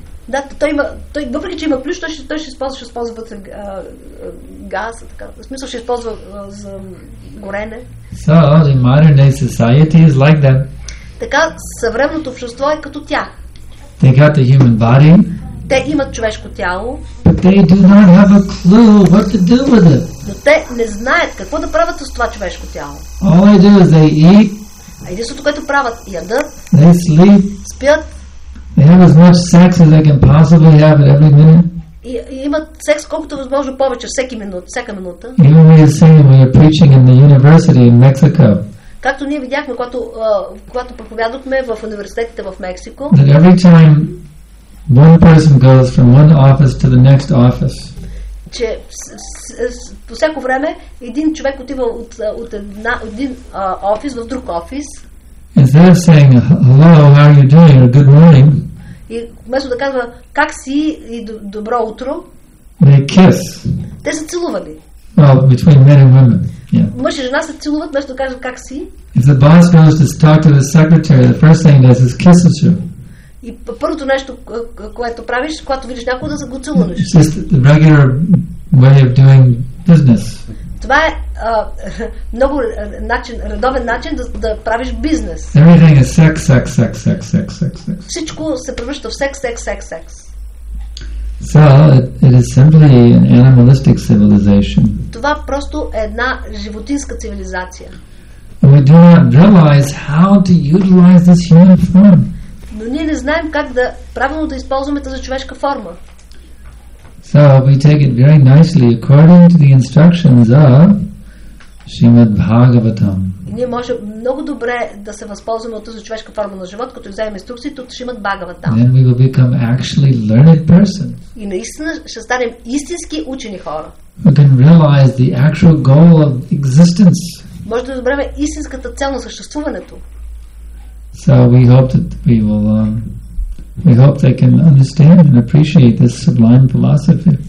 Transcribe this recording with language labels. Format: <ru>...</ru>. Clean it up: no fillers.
<bg>Да, той въпреки че има ключ, той ще използва вътре газ, така. В смисъл ще използва за горене.</bg> <en>So the modern day society is like that.</en> <bg>Така, съвременното общество е като тях.</bg> <en>They got the human body.</en> <bg>те имат човешко тяло.</bg> <en>But they do not have a clue what to do with it.</en> <bg>Но те не знаят какво да правят с това човешко тяло.</bg> <en>All they do is they eat.</en> <bg>А единството, което правят, ядат.</bg> <en>They sleep.</en> <bg>Спят.</bg> <en>They have as much sex as they can possibly have at every minute.</en> <bg>И имат секс колкото възможно повече всеки минут, всяка минута.</bg> <en>Even we are saying we are preaching in the university in Mexico.</en> <bg>Както ние видяхме, когато проповядахме в университетите в Мексико.</bg> <en>That every time one person goes from one office to the next office.</en> <bg>Че по всяко време един човек отива от един офис в друг офис.</bg> <en>And they're saying, "Hello, how are you doing? Or good morning."</en> <bg>И вместо да казва как си и добро утро.</bg> <en>They kiss.</en> <bg>Те се целували.</bg> <en>Well, between men and women. Yeah.</en> <bg>Мъж и жена се целуват, вместо да кажат как си.</bg> <en>If the boss goes to talk to the secretary, the first thing does is kisses you.</en> <bg>И първото нещо, което правиш, когато видиш някого, да го целунеш.</bg> <en>It's just the regular way of doing business.</en> <bg>Това е много начин, редовен начин да правиш бизнес.</bg> <en>Everything is sex, sex, sex, sex, sex, sex, sex.</en> <bg>Всичко се превръща в секс, секс, секс, секс.</bg> <en>So it is simply an animalistic civilization.</en> <bg>Това просто е една животинска цивилизация.</bg> <en>And we do not realize how to utilize this human form.</en> <bg>Но ние не знаем как да правилно да използваме тази човешка форма.</bg> <en>So we take it very nicely according to the instructions of Shrimad Bhagavatam.</en> <bg>И ние можем много добре да се възползваме от тази човешка форма на живот, като вземем инструкциите от Шримад Бхагаватам.</bg> <en>Then we will become actually learned person.</en> <bg>И наистина ще станем истински учени хора.</bg> <en>We can realize the actual goal of existence.</en> <bg>Може да разберем истинската цел на съществуването.</bg> <en>So we hope that we will we hope they can understand and appreciate this sublime philosophy.</en>